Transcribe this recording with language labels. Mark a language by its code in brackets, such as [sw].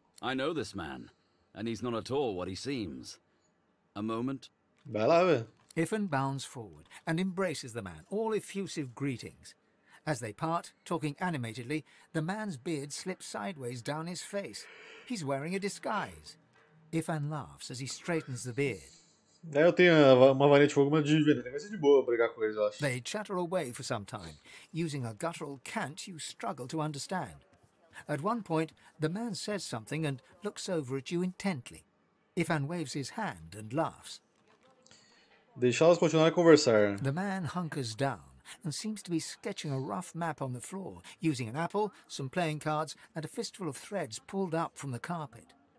[en] I know this man, and he's not at all what he seems. A moment. [pt] Vai lá, velho. [en] Ifan bounds forward and embraces the man, all effusive greetings. As they part, talking animatedly, the man's beard slips sideways down his face. He's wearing a disguise. Ifan laughs as he straightens the beard. [pt] Eu tenho uma varinha de fogo, mas de veneno. Vai ser de boa brigar com eles, eu acho. [en] They chatter away for some time, using a guttural cant you struggle to understand. At one point, the man says something and looks over at you intently. Ifan waves his hand and laughs. [pt] Deixa elas continuar a conversar. [en] The man hunkers down and seems to be sketching a rough map on the floor, using an apple, some playing cards, and a fistful of threads pulled up from the carpet.